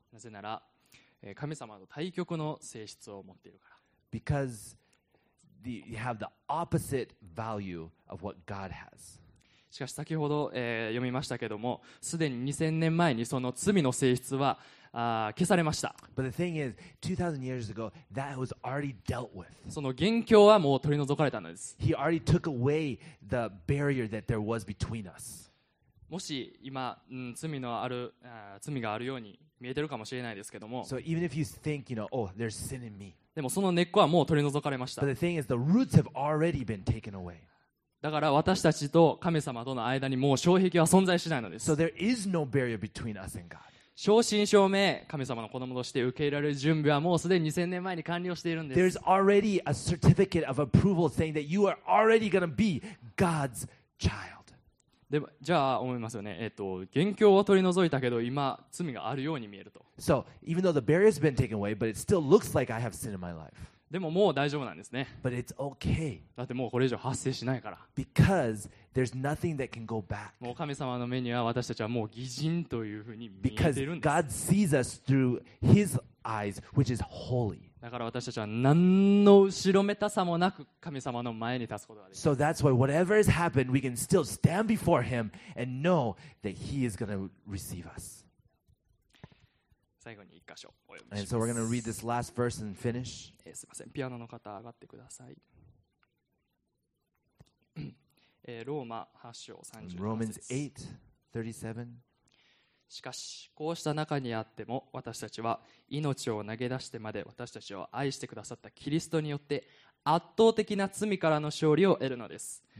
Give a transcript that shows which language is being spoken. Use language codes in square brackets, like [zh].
[ja] なぜなら、神様の対極の性質を持っているから。 [en] Because you have the opposite value of what God has. [ja] しかし先ほど、読みましたけどもすでに2000年前にその罪の性質は消されました。 [en] But the thing is, 2000 years ago, that was already dealt with. [ja] その元凶はもう取り除かれたのです。 [en] He already took away the barrier that there was between us. [ja] もし今、罪のある、罪があるように見えてるかもしれないですけども、 [en] so even if you think, you know, oh, there's sin in me. [ja] でもその根っこはもう取り除かれました。 [en] But the thing is, the roots have already been taken away. [ja] だから私たちと神様との間にもう障壁は存在しないのです。 [en] So there is no barrier between us and God. [ja] 正真正銘、神様の子供として受け入れられる準備はもうすでに2000年前に完了しているんです。 [en] There's already a certificate of approval saying that you are already going to be God's child. [ja] でじゃあ思いますよね。元凶は取り除いたけど今罪があるように見えると。 [en] So even though the barrier has been taken away, but it still looks like I have sin in my life. [ja] でももう大丈夫なんですね。 [en] But it's okay. [ja] だってもうこれ以上発生しないから。 [en] Because there's nothing that can go back. [ja] もう神様の目には私たちはもう義人というふうに見えているんです。 [en] Because God sees us through His eyes, which is holy. [ja] だから私たちは何の後ろめたさもなく神様の前に立つことができる。 [en] So that's why whatever has happened, we can still stand before Him and know that He is going to receive us. [ja] 最後に一箇所お読みします。 [en] And so we're going to read this last verse and finish. [ja] すみません、ピアノの方上がってください。ローマ8章37節。 [en] Romans 8:37. [ja] しかしこうした中にあっても私たちは命を投げ出してまで私たちを愛してくださったキリストによって圧倒的な罪からの勝利を得るのです。